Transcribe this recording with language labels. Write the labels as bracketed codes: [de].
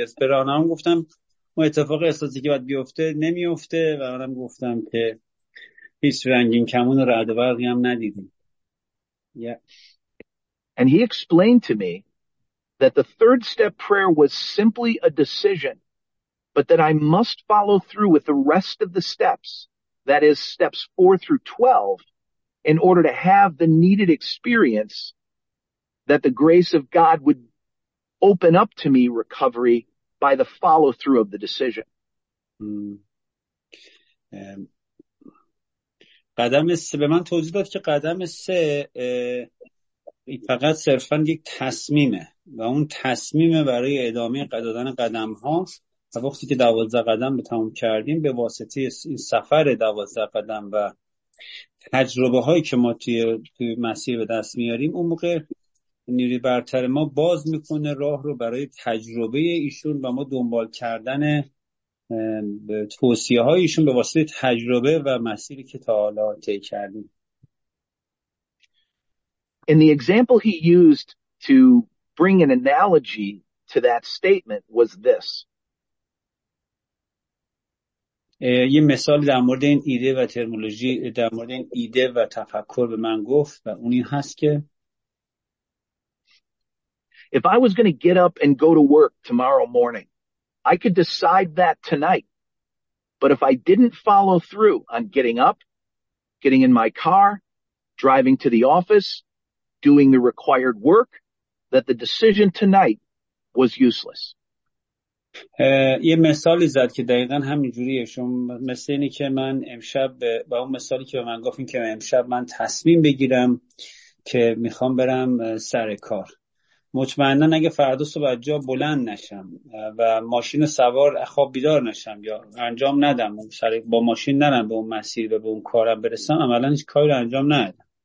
[fa] از برانه هم گفتم و اتفاق احساسی که باید بیفته نمیفته و آنم گفتم که هیچ رنگین کمون و رعد برقی هم ندیدیم. [en] And he explained to me that the third step prayer was simply a decision, but that I must follow through with the rest of the steps, that is steps 4 through 12, in order to have the needed experience that the grace of God would open up to me recovery by the follow through of the decision. [fa] قدم سه به من توضیح داد که قدم سه فقط صرفا یک تصمیمه و اون تصمیمه برای ادامه دادن قدم هاست. و وقتی که 12 قدم به تمام کردیم به واسطه این سفر 12 قدم و تجربه هایی که ما توی مسیر به دست میاریم، اون موقع نیروی برتر ما باز میکنه راه رو برای تجربه ایشون و ما دنبال کردن توصیه های ایشون به واسطه تجربه و مسیری که تا حالا طی کردیم. [en] In the example he used to bring an analogy to that statement was this. [fa] یه مثال در مورد این ایده و ترمولوژی در مورد این ایده و تفکر به من گفت و اون این هست که [en] If I was going to get up and go to work tomorrow morning, I could decide that tonight. But if I didn't follow through on getting up, getting in my car, driving to the office, doing the required work, that the decision tonight was useless. [fa] یه مثالی زد که دقیقاً همین جوریه. شما مثل اینی که من امشب با اون مثالی که به من گفتین که امشب من تصمیم بگیرم که میخوام برم سر کار. مطمئناً اگه فردا صبح جا بلند نشم و ماشین سوار خواب بیدار نشم یا انجام ندم سر با ماشین نرم به اون مسیر و به اون کارم برسم، عملاً هیچ کاری رو انجام ندم.